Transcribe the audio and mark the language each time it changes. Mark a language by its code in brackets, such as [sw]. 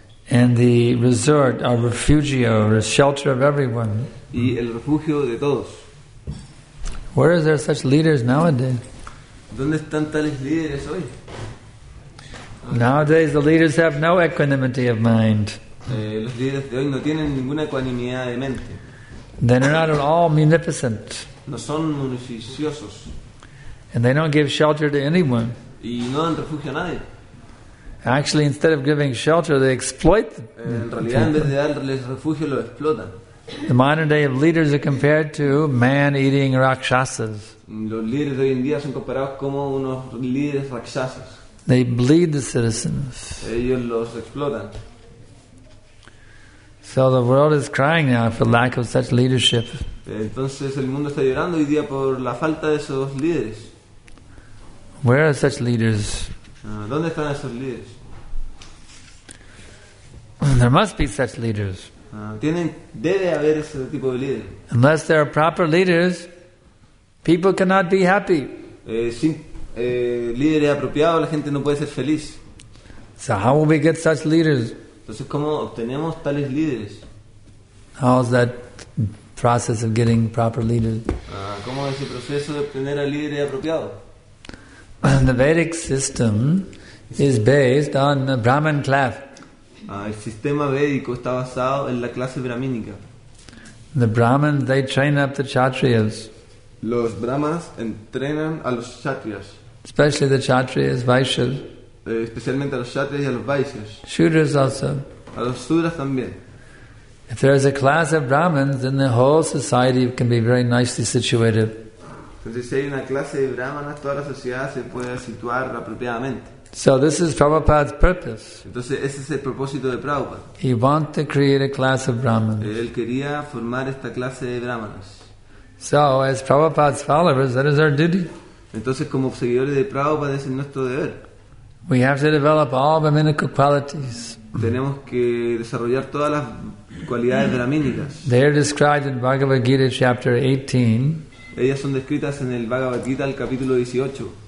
[en] And the resort, our refugio, the shelter of everyone. [es] Y el refugio de todos. [en] Where is there such leaders nowadays? [es] ¿Dónde están tales líderes hoy? [en] Nowadays the leaders have no equanimity of mind. [es] Los líderes de hoy no tienen ninguna equanimidad de mente. [en] They are not at all munificent. [es] No son munificiosos. [en] And they don't give shelter to anyone. [es] Y no dan refugio a nadie. [en] Actually, instead of giving shelter, they exploit them. [es] En realidad, en vez de darles refugio, lo explotan. [en] The modern day of leaders are compared to man-eating rakshasas. [es] Los líderes de hoy en día son comparados como unos líderes rakshasas. [en] They bleed the citizens. [es] Ellos los explotan. [en] So the world is crying now for lack of such leadership. [es] Entonces el mundo está llorando hoy día por la falta de esos líderes. [en] Where are such leaders? [es] ¿Dónde están esos líderes? [en] There must be such leaders. [es] Debe haber ese tipo de líderes. [en] Unless there are proper leaders, people cannot be happy. [es] Sin líderes apropiados, la gente no puede ser feliz. [en] So how will we get such leaders? [es] Entonces, ¿cómo obtenemos tales líderes? [en] How is that process of getting proper leaders? [es] ¿Cómo es el proceso de obtener a líderes apropiados? [en] The Vedic system is based on the Brahman class. [es] El sistema védico está basado en la clase brahmínica. [en] The Brahmins, they train up the kshatriyas. [es] Los brahmanas entrenan a los kshatriyas. [en] Especially the kshatriyas, vaishyas. [es] Especialmente a los kshatriyas y a los vaishyas. [en] Shudras also. [es] A los shudras también. [en] If there is a class of brahmins, then the whole society can be very nicely situated. [es] Entonces, si hay una clase de brahmanas, toda la sociedad se puede situar apropiadamente. [en] So this is Prabhupada's purpose. [es] Entonces, ese es el propósito de Prabhupada. [en] He wanted to create a class of brahmins. [es] Él quería formar esta clase de brahmanas. [en] So, as Prabhupada's followers, that is our duty. [es] Entonces, como seguidores de Prabhupada, ese es nuestro deber. [en] We have to develop all brahminical qualities. [es] Tenemos que desarrollar todas las cualidades brahmínicas. [en] They are described in Bhagavad Gita, chapter 18. [es] Ellas son descritas en el Bhagavad Gita, el capítulo 18.